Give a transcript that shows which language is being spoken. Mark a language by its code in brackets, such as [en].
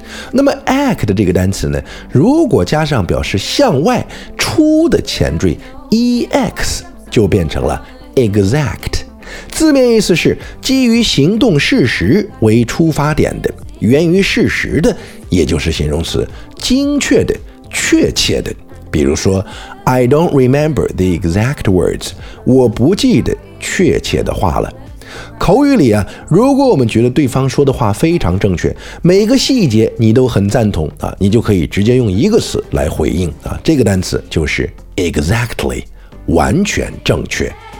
[zh] 那么 act 这个单词呢，如果加上表示向外出的前缀 ex， 就变成了 exact。字面意思是基于行动事实为出发点的，源于事实的，也就是形容词，精确的，确切的。比如说 [en] I don't remember the exact words， [zh] 我不记得确切的话了。口语里啊，如果我们觉得对方说的话非常正确，每个细节你都很赞同啊，你就可以直接用一个词来回应啊，这个单词就是 exactly， 完全正确。